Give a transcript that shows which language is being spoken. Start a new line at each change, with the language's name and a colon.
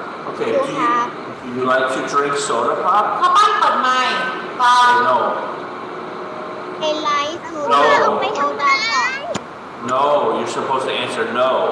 English: Okay, do you like to drink soda pop?
Thai: ข้าวปั้นเปิดไหม?
English: No. I like to drink soda pop. No, you're supposed to answer no.